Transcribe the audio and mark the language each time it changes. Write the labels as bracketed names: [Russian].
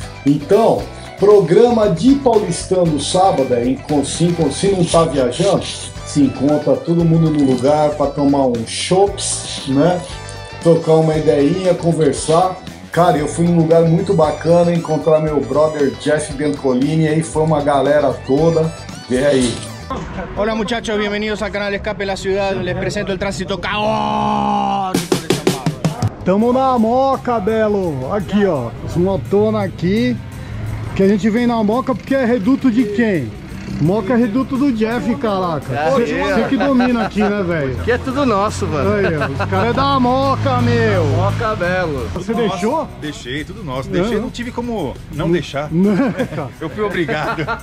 [Portuguese] Então, programa de paulistano sábado, em Consim, se não tá viajando, se encontra todo mundo no lugar pra tomar um chopp, né? Tocar uma ideinha, conversar. Cara, eu fui em um lugar muito bacana, encontrar meu brother Jeff Biancolini, aí foi uma galera toda, vê aí. [Spanish] Hola muchachos, bienvenidos al canal Escape de la Ciudad. Les presento el tránsito caótico de San Pablo. [Portuguese] Tamo na Moca, Belo. Aqui, ó. As motonas aqui. Que a gente vem na Moca porque é reduto de quem? Moca é reduto do Jeff, caraca. Você que domina aqui, né, velho? Aqui é tudo nosso, mano. Aí, ó. Os caras é da Moca, meu. Da Moca, Belo. Você tudo deixou? Nosso. Deixei, tudo nosso. Não. Deixei, não tive como não deixar. Não. Eu fui obrigado.